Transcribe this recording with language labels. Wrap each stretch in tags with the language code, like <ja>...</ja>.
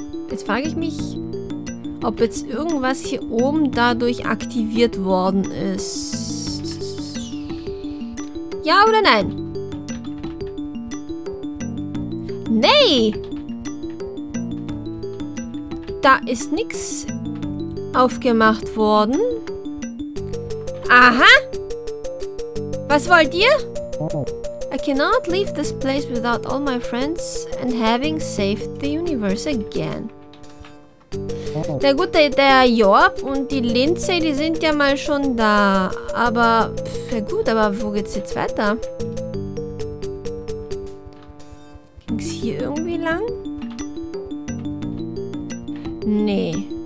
<de>Jetzt frage ich mich, ob jetzt irgendwas hier oben dadurch aktiviert worden ist. Ja oder nein? Nee! Da ist nichts aufgemacht worden. Aha! Was wollt ihr?</de> <en>I cannot leave this place without all my friends and having saved the universe again.</en> <de>Na gut, der Joab und die Lindsay, die sind ja mal schon da. Aber, ja gut, aber wo geht's jetzt weiter? Ging's hier irgendwie lang? Nee.</de>